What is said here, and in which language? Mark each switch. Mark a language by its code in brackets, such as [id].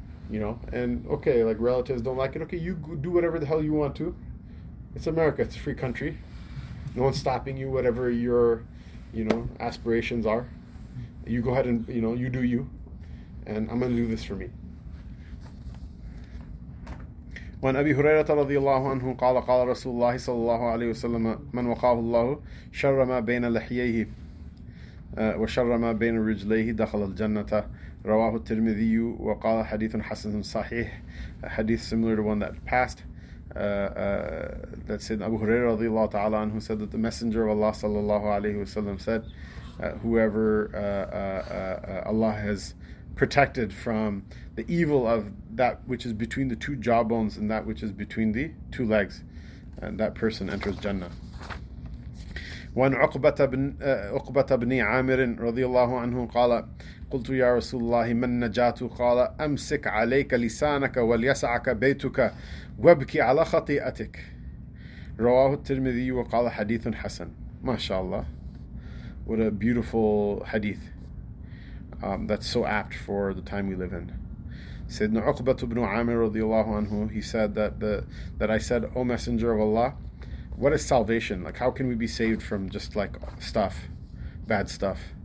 [en] And okay, like relatives don't like it. Okay, you do whatever the hell you want to. It's America. It's a free country. No one's stopping you. Whatever your, aspirations are, you go ahead and you do you. And I'm gonna do this for me. [ar] وعن أبي هريرة رضي الله عنه قال قال رسول الله صلى الله عليه وسلم من وقاه الله شر ما بين لحييه وشر ما بين رجليه دخل الجنة رواه الترمذي وقال حديث حسن صحيح. [en] A hadith similar to one that passed that said Abu Huraira [ar] رضي الله تعالى عنه [en] said that the messenger of Allah [ar] صلى الله عليه وسلم [en] said whoever Allah has protected from the evil of that which is between the two jawbones and that which is between the two legs, and that person enters Jannah. [ar] وعن عقبة بن عامر رضي الله عنه قال قلت يا رسول الله من نجات قال أمسك عليك لسانك وليسعك بيتك وابكي على خطيئتك رواه الترمذي وقال حديث حسن. ما شاء الله. [en] What a beautiful hadith. That's so apt for the time we live in. Sayyidina Uqbah ibn Amir radiyallahu anhu, he said that I said, O Messenger of Allah, what is salvation? Like, how can we be saved from just like stuff, bad stuff?